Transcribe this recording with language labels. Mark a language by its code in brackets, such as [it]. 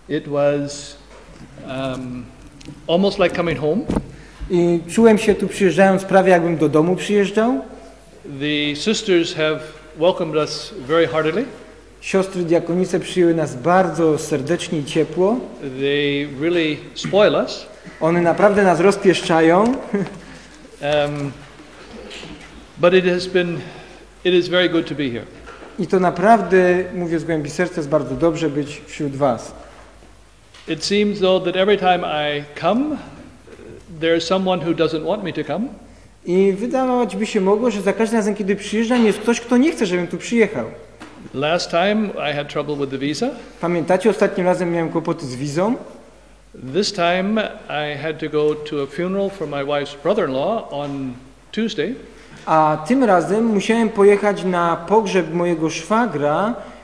[en] It was almost like coming home. [pl] I czułem się tu przyjeżdżając prawie jakbym do domu przyjeżdżał. [en] The sisters have welcomed us very heartily. [pl] Siostry diakonice przyjęły nas bardzo serdecznie i ciepło. [en] They really spoil us. [pl] One naprawdę nas rozpieszczają. [en] But it is very good to be here. [pl] I to naprawdę, mówię z głębi serca, jest bardzo dobrze być wśród was. [en] It seems though that every time I come, there's someone who doesn't want me to come. [pl] I wydawać by się mogło, że za każdym razem, kiedy przyjeżdżam, jest ktoś, kto nie chce, żebym tu przyjechał. [en] Last time I had trouble with the visa. [pl] Pamiętacie, ostatnim razem miałem kłopoty z wizą? [en] This time I had to go to a funeral for my wife's brother-in-law on Tuesday. [pl] A tym razem musiałem pojechać na pogrzeb mojego szwagra.